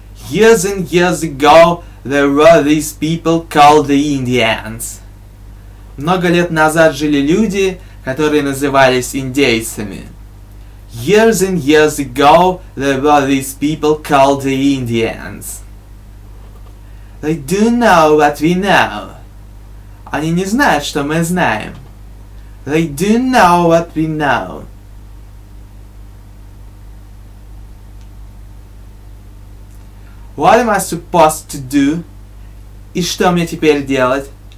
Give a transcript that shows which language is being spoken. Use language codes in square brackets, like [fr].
[en] Years and years ago, there were these people called the Indians. [ru] Много лет назад жили люди, которые назывались индейцами. [en] Years and years ago, there were these people called the Indians. They do know what we know. [ru] Они не знают, что мы знаем. [en] They do know what we know. What am I supposed to do? [ru] И что мне теперь делать?